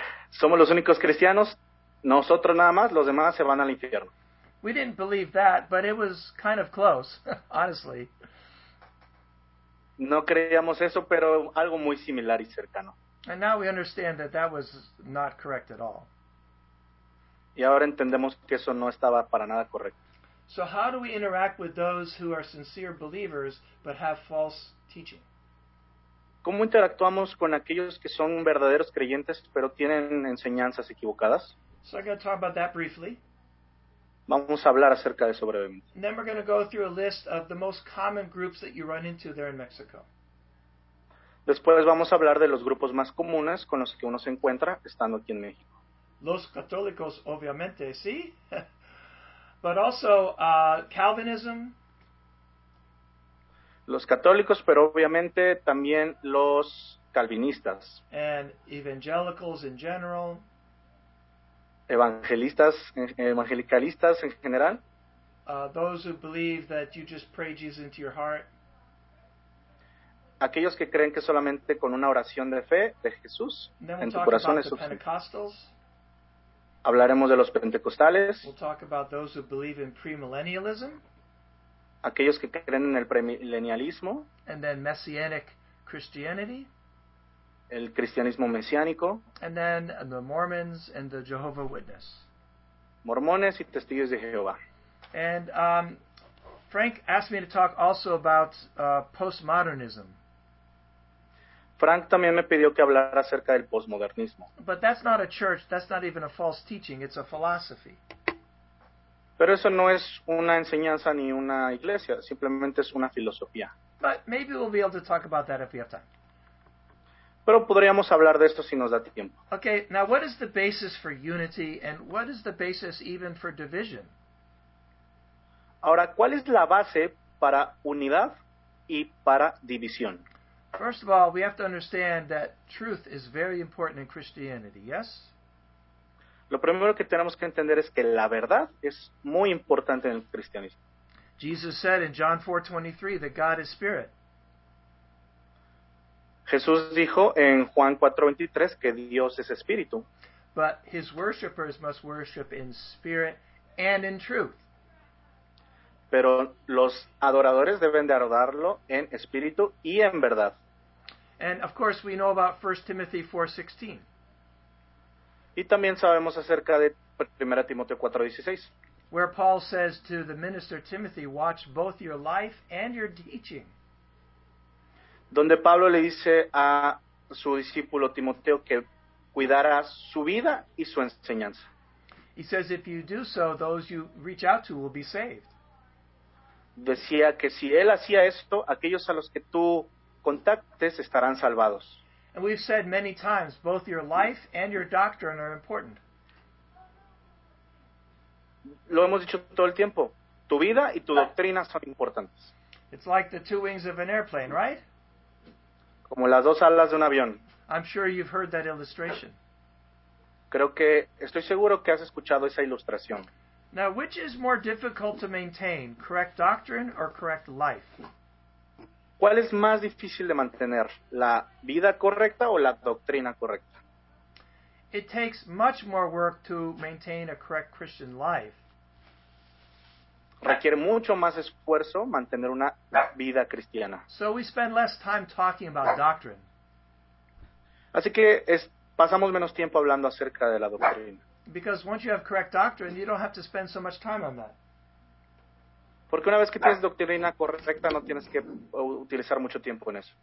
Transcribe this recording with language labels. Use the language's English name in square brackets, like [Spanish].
[Spanish] Somos los únicos cristianos, nosotros nada más, los demás se van al infierno. [English] We didn't believe that, but it was kind of close, honestly. [Spanish] No creíamos eso, pero algo muy similar y cercano. [English] And now we understand that that was not correct at all. [Spanish] Y ahora entendemos que eso no estaba para nada correcto. [English] So how do we interact with those who are sincere believers but have false teaching? [Spanish] ¿Cómo interactuamos con aquellos que son verdaderos creyentes pero tienen enseñanzas equivocadas? [English] So I'm going to talk about that briefly. [Spanish] Vamos a hablar acerca de eso brevemente. [English] And then we're going to go through a list of the most common groups that you run into there in Mexico. [Spanish] Después vamos a hablar de los grupos más comunes con los que uno se encuentra estando aquí en México. Los católicos, obviamente, sí. [English] But also Calvinism. [Spanish] Los católicos, pero obviamente también los calvinistas. [English] And evangelicals in general. [Spanish] Evangelicalistas en general. [English] Those who believe that you just pray Jesus into your heart. [Spanish] Aquellos que creen que solamente con una oración de fe de Jesús en tu corazón es suficiente. Hablaremos de los pentecostales. [English] We'll talk about those who believe in premillennialism. [Spanish] Aquellos que creen en el premilenialismo. [English] And then messianic Christianity. [Spanish] El cristianismo mesiánico. [English] And then the Mormons and the Jehovah Witness. [Spanish] Mormones y testigos de Jehová. [English] And Frank asked me to talk also about postmodernism. [Spanish] Frank también me pidió que hablara acerca del posmodernismo. [English] But that's not a church. That's not even a false teaching. It's a philosophy. [Spanish] Pero eso no es una enseñanza ni una iglesia. Simplemente es una filosofía. [English] But maybe we'll be able to talk about that if we have time. [Spanish] Pero podríamos hablar de esto si nos da tiempo. [English] Okay, now what is the basis for unity and what is the basis even for division? [Spanish] Ahora, ¿cuál es la base para unidad y para división? [English] First of all, we have to understand that truth is very important in Christianity, yes? [Spanish] Lo primero que tenemos que entender es que la verdad es muy importante en el cristianismo. [English] Jesus said in John 4:23 that God is spirit. [Spanish] Jesús dijo en Juan 4:23 que Dios es espíritu. [English] But his worshipers must worship in spirit and in truth. [Spanish] pero los adoradores deben de adorarlo en espíritu y en verdad. [English] And of course we know about 1 Timothy 4:16. [Spanish] Y también sabemos acerca de 1 Timoteo 4:16. [English] Where Paul says to the minister Timothy, watch both your life and your teaching. [Spanish] Donde Pablo le dice a su discípulo Timoteo que cuidara su vida y su enseñanza. [English] He says if you do so, those you reach out to will be saved. [Spanish] Decía que si él hacía esto, aquellos a los que tú contactes estarán salvados. [English] And we've said many times, both your life and your doctrine are important. [Spanish] Lo hemos dicho todo el tiempo. Tu vida y tu doctrina son importantes. [English] It's like the two wings of an airplane, right? [Spanish] Como las dos alas de un avión. [English] I'm sure you've heard that illustration. [Spanish] Creo que estoy seguro que has escuchado esa ilustración. [English] Now, which is more difficult to maintain, correct doctrine or correct life? [Spanish] ¿Cuál es más difícil de mantener, la vida correcta o la doctrina correcta? [English] It takes much more work to maintain a correct Christian life. [Spanish] Requiere mucho más esfuerzo mantener una vida cristiana. [English] So we spend less time talking about doctrine. [Spanish] Así que pasamos menos tiempo hablando acerca de la doctrina. [English] Because once you have correct doctrine, you don't have to spend so much time on that. [Spanish] Porque una vez que tienes doctrina correcta, no tienes que utilizar mucho tiempo en eso.